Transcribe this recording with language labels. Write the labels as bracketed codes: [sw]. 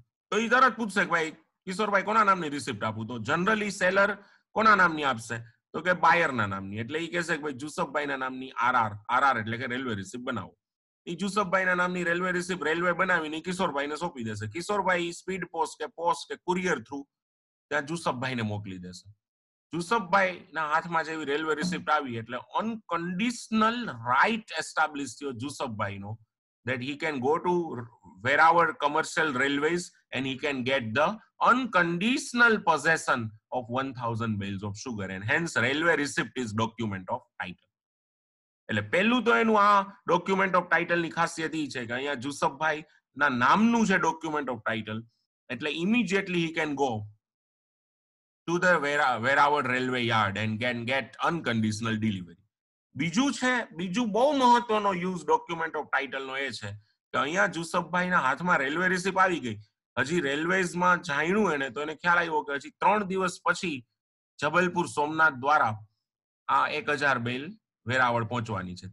[gu] તો એ તરત પૂછશે કે ભાઈ કિશોરભાઈ કોના નામની રિસિપ્ટ આપું. તો જનરલી સેલર કોના નામની આપશે, તો કે બાયરના નામની. એટલે એ કહેશે કે ભાઈ જુસફભાઈના નામની આરઆર, આરઆર એટલે કે રેલવે રિસિપ્ટ બનાવો. એ જુસફભાઈના નામની રેલવે રિસિપ્ટ રેલવે બનાવીને કિશોરભાઈને સોંપી દેશે. કિશોરભાઈ સ્પીડ પોસ્ટ કે પોસ્ટ કે કુરિયર થ્રુ ત્યાં જુસફભાઈને મોકલી દેશે. જુસફભાઈના હાથમાં જેવી રેલવે રિસિપ્ટ આવી એટલે અનકન્ડિશનલ રાઈટ એસ્ટાબ્લિશ થયો જુસફભાઈનો [en] that he can go to wherever commercial railways and he can get the unconditional possession of 1000 bales of sugar, and hence railway receipt is document of title. [gu] એટલે પેલું તો એનું આ document of title ની ખાસિયત એ છે કે અહીંયા જુસફભાઈ ના નામનું છે document of title, એટલે [en] immediately he can go to the wherever railway yard and can get unconditional delivery. [gu] બીજું છે, બીજું બહુ મહત્વનો યુઝ ડોક્યુમેન્ટ ઓફ ટાઇટલ નો એ છે કે અહીંયા જુસફભાઈના હાથમાં રેલવે રિસિપ્ટ આવી ગઈ. હજી રેલવેઝમાં જાણ્યું એને તો એને ખ્યાલ આવ્યો કે હજી 3 દિવસ પછી જબલપુર સોમનાથ દ્વારા આ 1000 બેલ વેરાવળ પહોંચવાની છે.